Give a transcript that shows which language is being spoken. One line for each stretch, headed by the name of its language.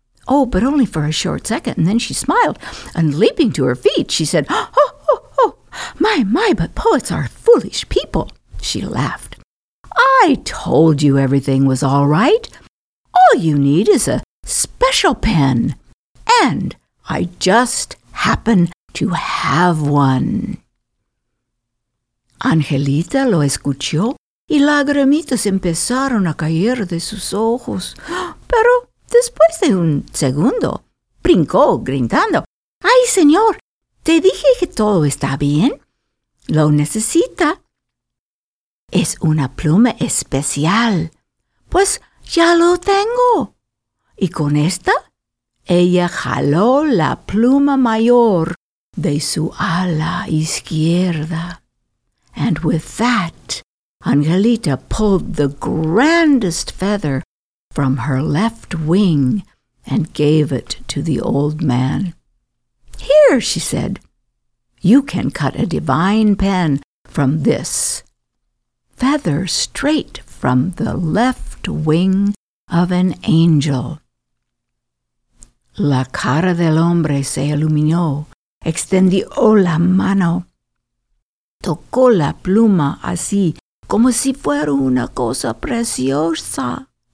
English: Oh, but only for a short second, and then she smiled, and leaping to her feet, she said, "Oh, oh, oh, my, my, but poets are foolish people," she laughed. "I told you everything was all right. All you need is a special pen, and I just happen to have one."
Spanish: Angelita lo escuchó, y lagrimitas empezaron a caer de sus ojos. Pero después de un segundo, brincó gritando, "¡Ay, señor! ¿Te dije que todo está bien? Lo necesita. Es una pluma especial. Pues ya lo tengo." Y con esta, ella jaló la pluma mayor de su ala izquierda.
English: And with that, Angelita pulled the grandest feather from her left wing and gave it to the old man. "Here," she said, "you can cut a divine pen from this feather straight from the left wing of an angel."
Spanish: La cara del hombre se iluminó, extendió la mano, tocó la pluma así, como si fuera una cosa preciosa.